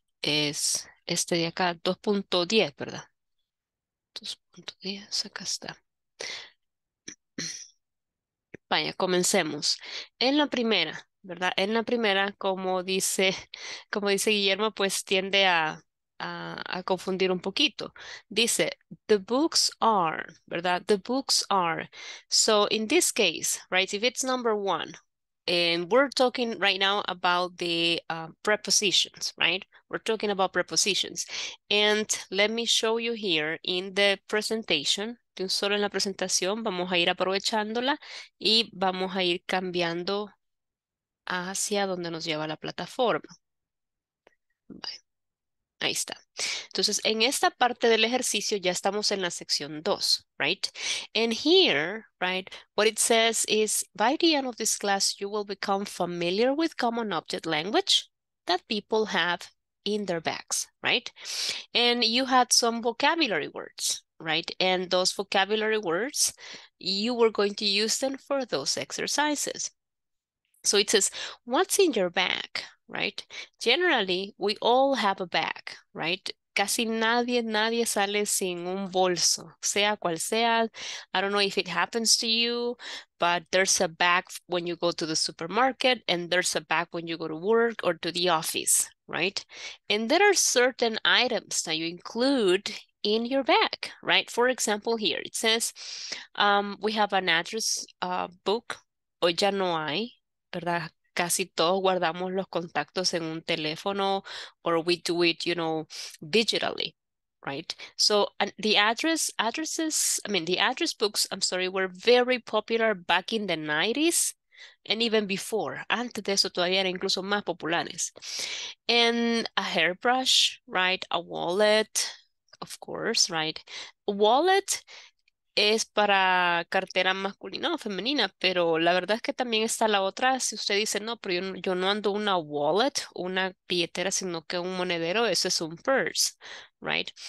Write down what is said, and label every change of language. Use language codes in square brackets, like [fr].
[es] Es este de acá, 2.10, ¿verdad? 2.10, acá está. Vaya, comencemos. En la primera, ¿verdad? En la primera, como dice Guillermo, pues tiende a confundir un poquito. [en] Dice, the books are, ¿verdad? The books are. So, in this case, right, if it's number one, and we're talking right now about the prepositions, right? We're talking about prepositions. And let me show you here in the presentation, [es] de un solo en la presentación, vamos a ir aprovechándola y vamos a ir cambiando hacia donde nos lleva la plataforma. Bye. Ahí está. Entonces, en esta parte del ejercicio ya estamos en la sección 2, right? [en] And here, right, what it says is, by the end of this class, you will become familiar with common object language that people have in their bags, right? And you had some vocabulary words, right? And those vocabulary words, you were going to use them for those exercises. So it says, what's in your bag? Right? Generally, we all have a bag, right? [es] Casi nadie sale sin un bolso, sea cual sea. [en] I don't know if it happens to you, but there's a bag when you go to the supermarket and there's a bag when you go to work or to the office, right? And there are certain items that you include in your bag, right? For example, here it says, we have an address book, [es] hoy ya no hay, ¿verdad? Casi todos guardamos los contactos en un teléfono, [en] or we do it, you know, digitally, right? So the address books were very popular back in the 90s and even before. [es] Antes de eso todavía eran incluso más populares. [en] And a hairbrush, right? A wallet, of course, right? [es] A wallet es para cartera masculina o femenina, pero la verdad es que también está la otra. Si usted dice, no, pero yo no ando una wallet, una billetera, sino que un monedero, eso es un purse, right?